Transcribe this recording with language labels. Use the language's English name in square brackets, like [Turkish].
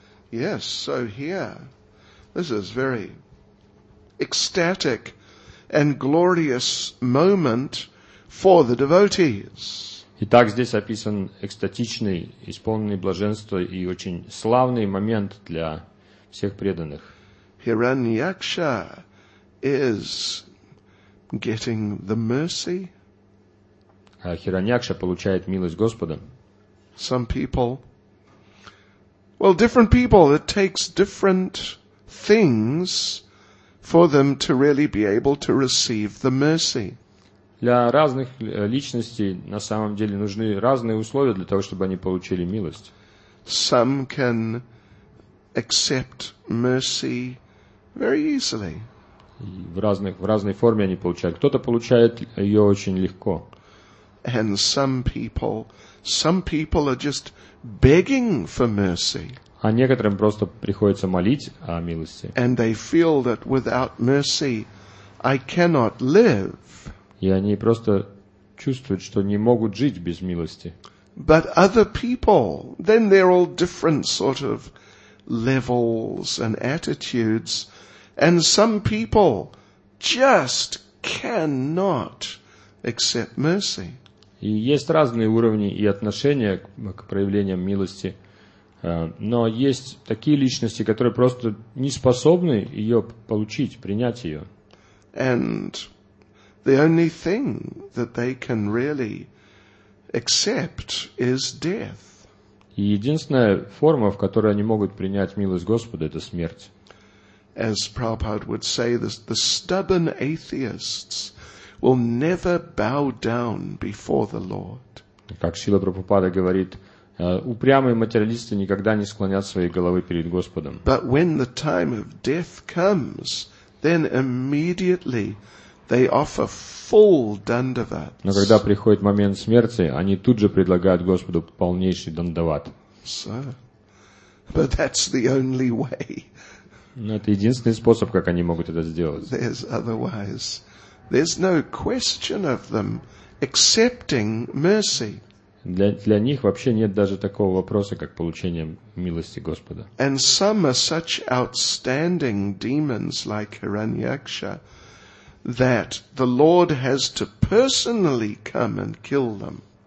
[English] Yes, so here, this is very ecstatic and glorious moment for the devotees. [Russian] Итак, здесь описан экстатичный, исполненный блаженства и очень славный момент для всех преданных. [English] Hiranyaksha is getting the mercy. [Russian] Hiranyaksha получает милость Господа. [English] Some people. Well, different people, it takes different things for them to really be able to receive the mercy. [Russian] Для разных личностей на самом деле нужны разные условия для того, чтобы они получили милость. [English] Some can accept mercy very easily. [Russian] В разной форме они получают. Кто-то получает ее очень легко. [English] And some people are just begging for mercy. [Russian] А некоторым просто приходится молить о милости. [English] And they feel that without mercy I cannot live. [Russian] И они просто чувствуют, что не могут жить без милости. [English] But other people, then they're all different sort of levels and attitudes, and some people just cannot accept mercy. [Russian] И есть разные уровни и отношения к проявлениям милости. Но есть такие личности, которые просто не способны ее получить, принять ее. [English] And the only thing that they can really accept is death. [Russian] И единственная форма, в которой они могут принять милость Господа, это смерть. [English] As Prabhupada would say, the stubborn atheists will never bow down before the Lord. [Russian] Как Шрила Прабхупада говорит, упрямые материалисты никогда не склонят свои головы перед Господом. [English] But when the time of death comes, then immediately they offer full dandavats. [Russian] Но когда приходит момент смерти, они тут же предлагают Господу полнейший дандават. [English] So, but that's the only way. [Russian] Но это единственный способ, как они могут это сделать. [English] There's otherwise. There's no question of them accepting mercy. [Russian] Для них вообще нет даже такого вопроса, как получение милости Господа. [English] And some are such outstanding demons like Hiranyaksha that the Lord has to personally come and kill them.